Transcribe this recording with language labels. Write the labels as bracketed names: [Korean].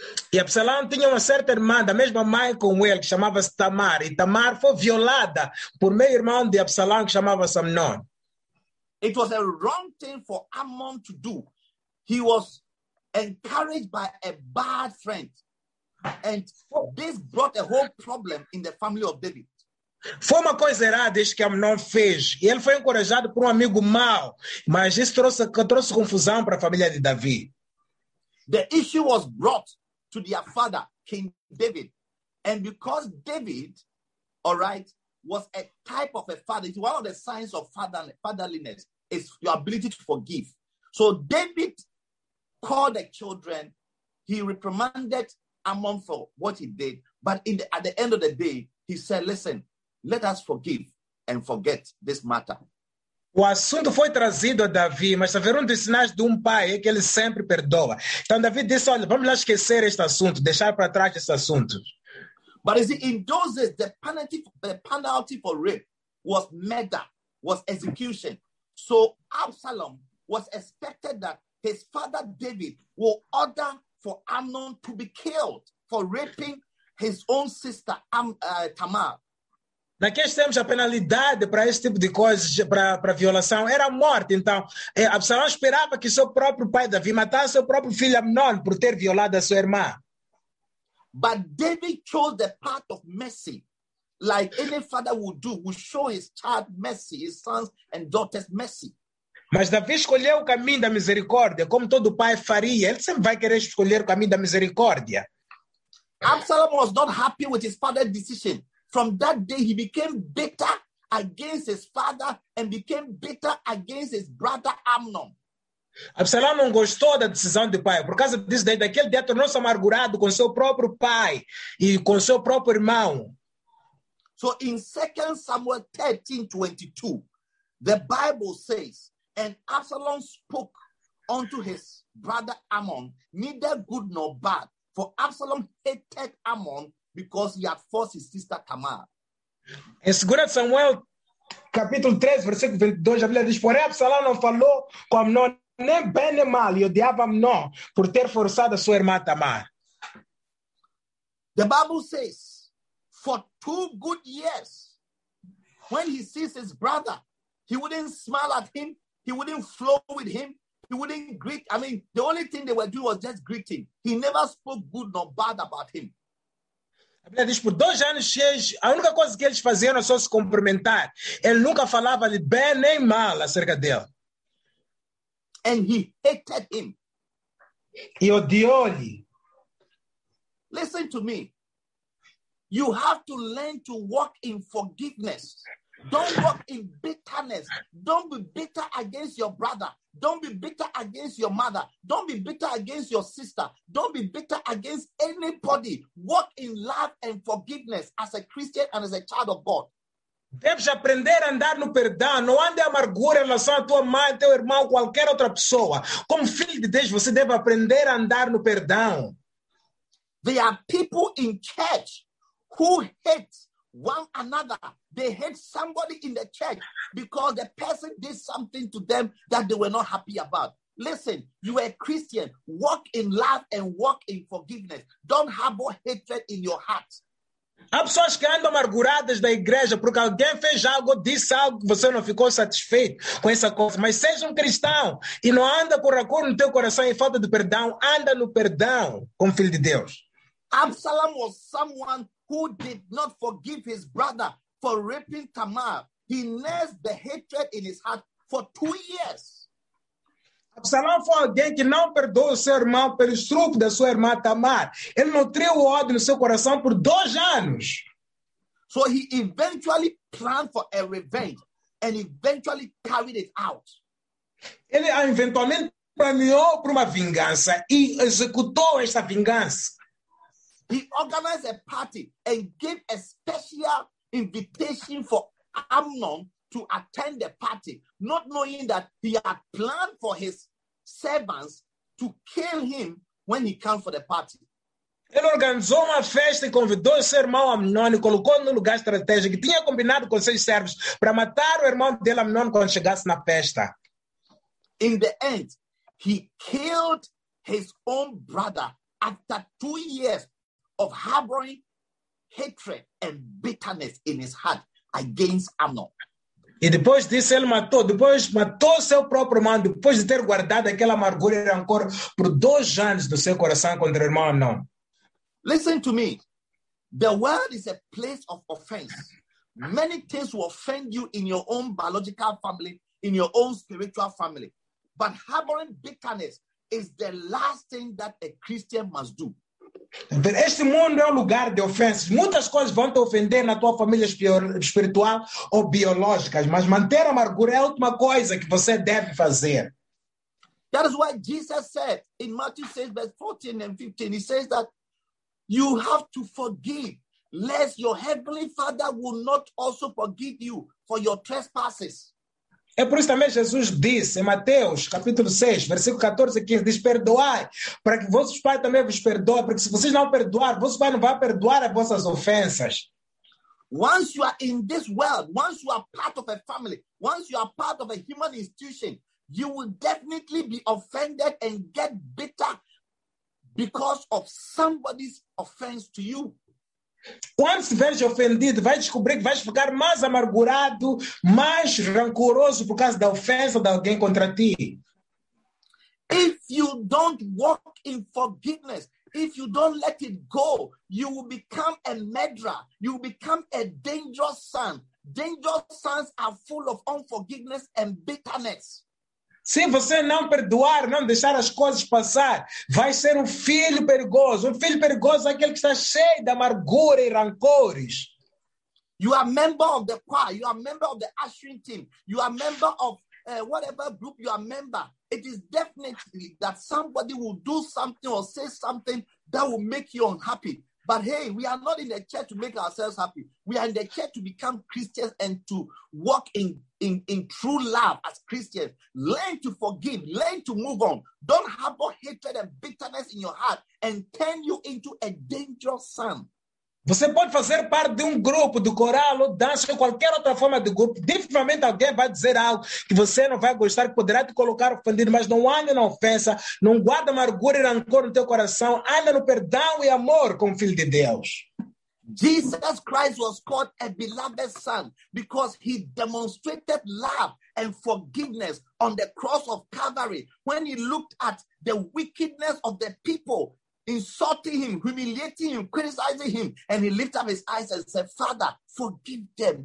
[Portuguese] E Absalão tinha uma certa irmã, da mesma mãe com ele, que chamava-se Tamar, e Tamar foi violada por meio-irmão de Absalão, que chamava-se Amnon. [English] It was a wrong thing for Amnon to do. He was encouraged by a bad friend, and this brought a whole problem in the family of David. [Portuguese] Foi uma coisa errada isso que Amnon fez. E ele foi encorajado por um amigo mau. Mas isso trouxe confusão para a família de Davi. [English] The issue was brought to their father, King David. And because David, all right, was a type of a father, one of the signs of fatherliness is your ability to forgive. So David called the children. He reprimanded Amnon for what he did. But at the end of the day, he said, listen, let us forgive and forget this matter. [Portuguese] O assunto foi trazido a Davi, mas haver um dos sinais de um pai é que ele sempre perdoa. Então Davi disse, olha, vamos lá esquecer este assunto, deixar para trás este assunto. [English] But is it in those days, the penalty for rape was murder, was execution. So Absalom was expected that his father David will order for Amnon to be killed for raping his own sister Tamar. [Portuguese] Naqueles tempos, a penalidade para esse tipo de coisas, para violação, era a morte. Então, Absalão esperava que seu próprio pai Davi matasse seu próprio filho Amnon por ter violado a sua irmã. [English] But David chose the path of mercy, like any father would do, would show his child mercy, his sons and daughters mercy. [Portuguese] Mas Davi escolheu o caminho da misericórdia, como todo pai faria. Ele sempre vai querer escolher o caminho da misericórdia. [English] Absalom was not happy with his father's decision. From that day, he became bitter against his father and became bitter against his brother Amnon. [Portuguese] Absalão não gostou da decisão do pai. Por causa disso, desde aquele dia, tornou-se amargurado com seu próprio pai e com seu próprio irmão. [English] So, in 2 Samuel 13, 22, the Bible says, and Absalom spoke unto his brother Amnon, neither good nor bad, for Absalom hated Amnon, because he had forced his sister Tamar. [Portuguese] Em 2 Samuel, capítulo 13, versículo 22, a Bíblia diz, porém, Absalão não falou com Amnon nem bem nem mal, e odiava-me não por ter forçado a sua irmã a amar. [English] The Bible says, for 2 good years, when he sees his brother, he wouldn't smile at him, he wouldn't flow with him, he wouldn't greet. I mean, the only thing they were doing was just greeting. He never spoke good nor bad about him. [Portuguese] A Bíblia diz, por 2 anos, a única coisa que eles faziam era só se cumprimentar. Ele nunca falava de bem nem mal acerca dele. [English] And he hated him. [Portuguese] E odiou-lhe. [English] Listen to me. You have to learn to walk in forgiveness. Don't walk in bitterness. Don't be bitter against your brother. Don't be bitter against your mother. Don't be bitter against your sister. Don't be bitter against anybody. Walk in love and forgiveness as a Christian and as a child of God. [Portuguese] Deves aprender a andar no perdão. Não ande amargura em relação à tua mãe, teu irmão, qualquer outra pessoa. Como filho de Deus, você deve aprender a andar no perdão. [English] There are people in church who hate one another. They hate somebody in the church because the person did something to them that they were not happy about. Listen, you are a Christian. Walk in love and walk in forgiveness. Don't have more hatred in your heart. [Portuguese] Há pessoas que andam amarguradas da igreja porque alguém fez algo, disse algo, você não ficou satisfeito com essa coisa. Mas seja cristão e não anda com rancor no teu coração e falta de perdão. Anda no perdão como filho de Deus. [English] Absalom was someone who did not forgive his brother for raping Tamar. He nursed the hatred in his heart for 2 years. [Portuguese] Absalom foi alguém que não perdoou seu irmão pelo estupro da sua irmã Tamar. Ele nutriu o ódio no seu coração por 2 anos. [English] So he eventually planned for a revenge and eventually carried it out. [Portuguese] Ele eventualmente planeou por uma vingança e executou essa vingança. [English] He organized a party and gave a special invitation for Amnon to attend the party, not knowing that he had planned for his servants to kill him when he came for the party. [Portuguese] Ele organizou uma festa e convidou o seu irmão Amnon e colocou no lugar estratégico que tinha combinado com seus servos para matar o irmão dele Amnon quando chegasse na festa. [English] In the end, he killed his own brother after 2 years of harboring hatred and bitterness in his heart against Amnon. [Portuguese] E depois disso ele matou, depois matou seu próprio irmão, depois de ter guardado aquela amargura e rancor por 2 anos do seu coração contra o irmão Amnon. [English] Listen to me. The world is a place of offense. Many things will offend you in your own biological family, in your own spiritual family. But harboring bitterness is the last thing that a Christian must do. [Portuguese] Este mundo é um lugar de ofensas. Muitas coisas vão te ofender na tua família espiritual ou biológica, mas manter a amargura é a última coisa que você deve fazer. [English] That is what Jesus said in Matthew 6, verse 14 and 15. He says that you have to forgive, lest your heavenly Father will not also forgive you for your trespasses. [Portuguese] É por isso também Jesus disse em Mateus, capítulo 6, versículo 14 e 15, diz, perdoai, para que vossos pais também vos perdoem, porque se vocês não perdoar, vosso pai não vai perdoar as vossas ofensas. [English] Once you are in this world, once you are part of a family, once you are part of a human institution, you will definitely be offended and get bitter because of somebody's offense to you. [Portuguese] Quando estiveres ofendido, vai descobrir que vais ficar mais amargurado, mais rancoroso por causa da ofensa de alguém contra ti. [English] If you don't walk in forgiveness, if you don't let it go, you will become a murderer, you will become a dangerous son. Dangerous sons are full of unforgiveness and bitterness. [Portuguese] Se você não perdoar, não deixar as coisas passar, vai ser um filho perigoso. Um filho perigoso é aquele que está cheio de amargura e rancores. [English] You are a member of the choir. You are a member of the ushering team. You are a member of whatever group you are a member. It is definitely that somebody will do something or say something that will make you unhappy. But hey, we are not in the church to make ourselves happy. We are in the church to become Christians and to walk in true love as Christians. Learn to forgive. Learn to move on. Don't harbor hatred and bitterness in your heart and turn you into a dangerous son. [Portuguese] Você pode fazer parte de grupo, do coral, ou dança, ou qualquer outra forma de grupo. Definitivamente alguém vai dizer algo que você não vai gostar, que poderá te colocar ofendido, mas não anda na ofensa, não guarda amargura e rancor no teu coração, anda no perdão e amor como filho de Deus. [English] Jesus Christ was called a beloved son because he demonstrated love and forgiveness on the cross of Calvary when he looked at the wickedness of the people insulting him, humiliating him, criticizing him, and he lifted up his eyes and said, Father, forgive them.